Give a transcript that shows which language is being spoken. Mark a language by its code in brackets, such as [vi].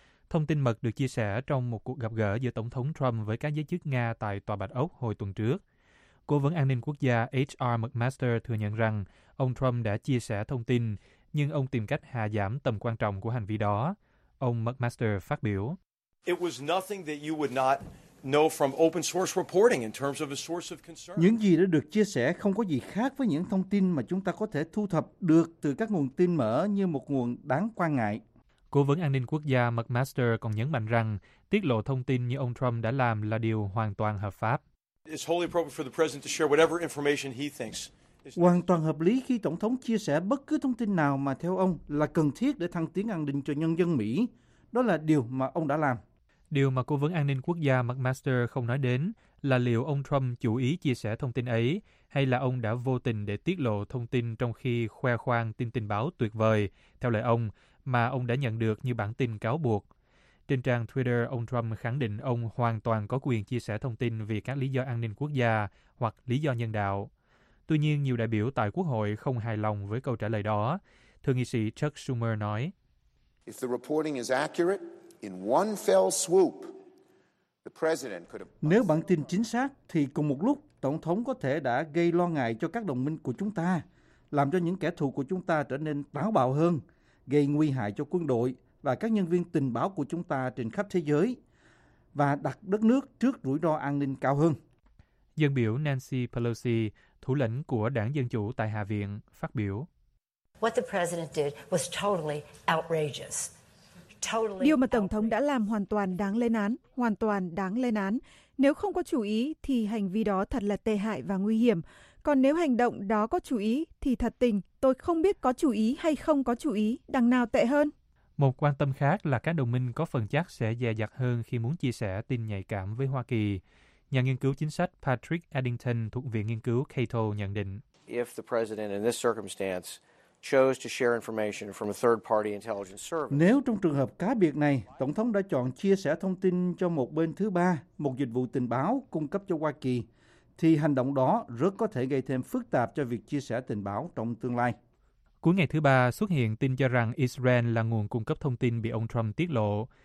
[vi] Thông tin mật được chia sẻ trong một cuộc gặp gỡ giữa Tổng thống Trump với các giới chức Nga tại Tòa Bạch Ốc hồi tuần trước. Cố vấn an ninh quốc gia H.R. McMaster thừa nhận rằng ông Trump đã chia sẻ thông tin, nhưng ông tìm cách hạ giảm tầm quan trọng của hành vi đó. Ông McMaster phát biểu. [en] It was nothing that you would not know from open source reporting in terms of a source of concern. [vi] Những gì đã được chia sẻ không có gì khác với những thông tin mà chúng ta có thể thu thập được từ các nguồn tin mở như một nguồn đáng quan ngại. Cố vấn an ninh quốc gia McMaster còn nhấn mạnh rằng tiết lộ thông tin như ông Trump đã làm là điều hoàn toàn hợp pháp. [en] It's wholly appropriate for the president to share whatever information he thinks. [vi] Hoàn toàn hợp lý khi tổng thống chia sẻ bất cứ thông tin nào mà theo ông là cần thiết để thăng tiến an ninh cho nhân dân Mỹ. Đó là điều mà ông đã làm. Điều mà cố vấn an ninh quốc gia McMaster không nói đến là liệu ông Trump chủ ý chia sẻ thông tin ấy hay là ông đã vô tình để tiết lộ thông tin trong khi khoe khoang tin tình báo tuyệt vời, theo lời ông, mà ông đã nhận được như bản tin cáo buộc. Trên trang Twitter, ông Trump khẳng định ông hoàn toàn có quyền chia sẻ thông tin vì các lý do an ninh quốc gia hoặc lý do nhân đạo. Tuy nhiên, nhiều đại biểu tại Quốc hội không hài lòng với câu trả lời đó. Thượng nghị sĩ Chuck Schumer nói, [en] If the reporting is accurate, in one fell swoop, the president could have... [vi] Nếu bản tin chính xác, thì cùng một lúc, Tổng thống có thể đã gây lo ngại cho các đồng minh của chúng ta, làm cho những kẻ thù của chúng ta trở nên táo bạo hơn, gây nguy hại cho quân đội và các nhân viên tình báo của chúng ta trên khắp thế giới và đặt đất nước trước rủi ro an ninh cao hơn. Dân biểu Nancy Pelosi, thủ lĩnh của Đảng Dân Chủ tại Hạ viện, phát biểu. [en] What the president did was totally outrageous. [vi] Điều mà Tổng thống đã làm hoàn toàn đáng lên án, hoàn toàn đáng lên án. Nếu không có chủ ý thì hành vi đó thật là tệ hại và nguy hiểm. Còn nếu hành động đó có chủ ý thì thật tình, tôi không biết có chủ ý hay không có chủ ý, đằng nào tệ hơn. Một quan tâm khác là các đồng minh có phần chắc sẽ dè dặt hơn khi muốn chia sẻ tin nhạy cảm với Hoa Kỳ. Nhà nghiên cứu chính sách Patrick Eddington thuộc Viện Nghiên cứu Cato nhận định. [en] If the president in this circumstance chose to share information from a third party intelligence service. [vi] Nếu trong trường hợp cá biệt này, Tổng thống đã chọn chia sẻ thông tin cho một bên thứ ba, một dịch vụ tình báo cung cấp cho Hoa Kỳ, thì hành động đó rất có thể gây thêm phức tạp cho việc chia sẻ tình báo trong tương lai. Cuối ngày thứ ba, xuất hiện tin cho rằng Israel là nguồn cung cấp thông tin bị ông Trump tiết lộ.